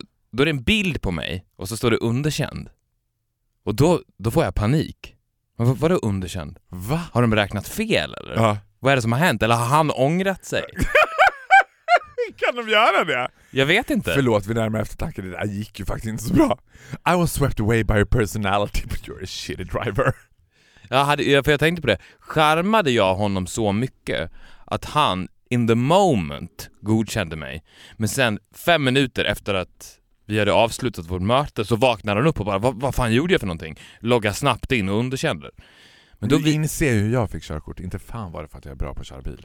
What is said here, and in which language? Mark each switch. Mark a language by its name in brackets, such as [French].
[Swedish] Då är det en bild på mig och så står det underkänd. Och då får jag panik. Vad är det underkänd? Va? Har de räknat fel eller? Ja. Vad är det som har hänt? Eller har han ångrat sig? Kan de göra det? Jag vet inte. Förlåt, vi närmar eftertanke. Det där gick ju faktiskt inte så bra. [English] I was swept away by your personality, but you're a shitty driver. [Swedish] Jag tänkte på det. Charmade jag honom så mycket att han, [English] in the moment, [Swedish] godkände mig. Men sen 5 minuter efter att Vi hade avslutat vårt möte så vaknade han upp och bara, vad fan gjorde jag för någonting? Logga snabbt in och underkänner. Men då inser hur jag fick körkort. Inte fan var det för att jag är bra på att köra bil.